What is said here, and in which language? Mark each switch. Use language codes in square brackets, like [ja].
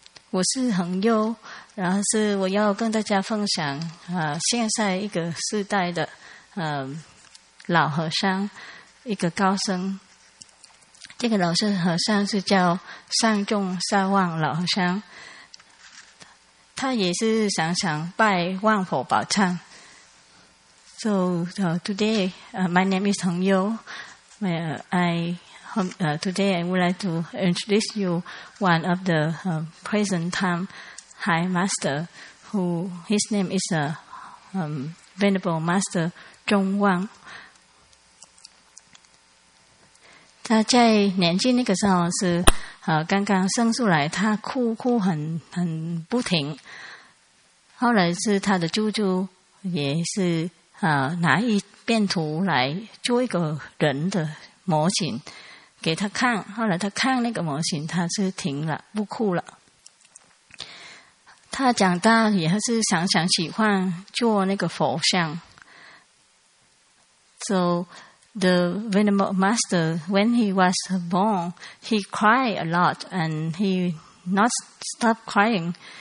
[zh] 我是恒悠，然后是我要跟大家分享，现在一个时代的老和尚，一个高僧。这个老和尚是叫上众沙旺老和尚，他也是常常拜万佛宝忏。 [en] So today, my name is Hong Yu. Today I would like to introduce you one of the present time high master, who his name is a venerable master. [zh] 中旺，他在年轻那个时候是刚刚生出来，他哭很不停。后来是他的舅舅也是拿一片土来做一个人的模型给他看，后来他看那个模型，他是停了，不哭了。他长大也是常常喜欢做那个佛像。 [en] So the Venerable Master, when he was born, he cried a lot and he not stop crying.